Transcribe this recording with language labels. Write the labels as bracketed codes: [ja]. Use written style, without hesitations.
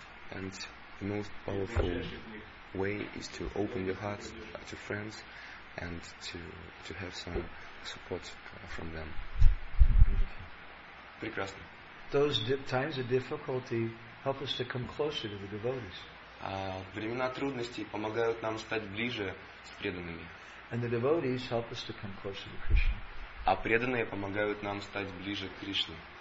[en] And the most powerful way is to open your heart to friends. And to have some support from them. [ru] Прекрасно. [en] Those times of difficulty help us to come closer to the devotees. [ru] Времена трудностей помогают нам стать ближе с преданными. [en] And the devotees help us to come closer to Krishna. [ru] А преданные помогают нам стать ближе к Кришне.